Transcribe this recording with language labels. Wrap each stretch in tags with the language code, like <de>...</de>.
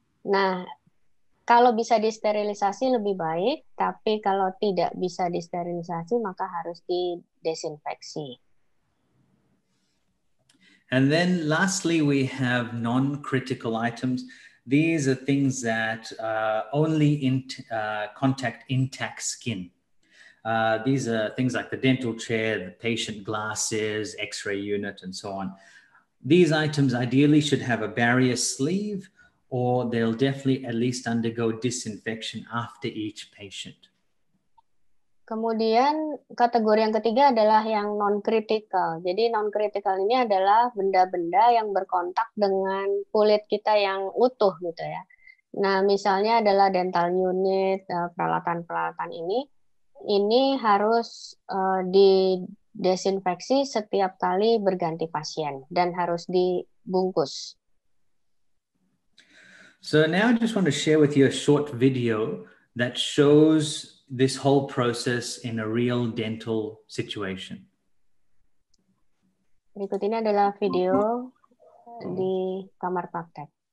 <id>Nah, kalau bisa disterilisasi lebih baik, tapi kalau tidak bisa disterilisasi maka harus didesinfeksi.</id> <en>And then lastly we have non-critical items. These are things that only contact intact skin. These are things like the dental chair, the patient glasses, X-ray unit, and so on. These items ideally should have a barrier sleeve or they'll definitely at least undergo disinfection after each patient.</en> <id>Kemudian kategori yang ketiga adalah yang non-critical. Jadi non-critical ini adalah benda-benda yang berkontak dengan kulit kita yang utuh gitu ya. Nah, misalnya adalah dental unit, peralatan-peralatan ini harus didesinfeksi setiap kali berganti pasien dan harus dibungkus.</id> <en>So now I just want to share with you a short video that shows this whole process in a real dental situation.</en> <id>Berikut ini adalah video di kamar praktek.</id>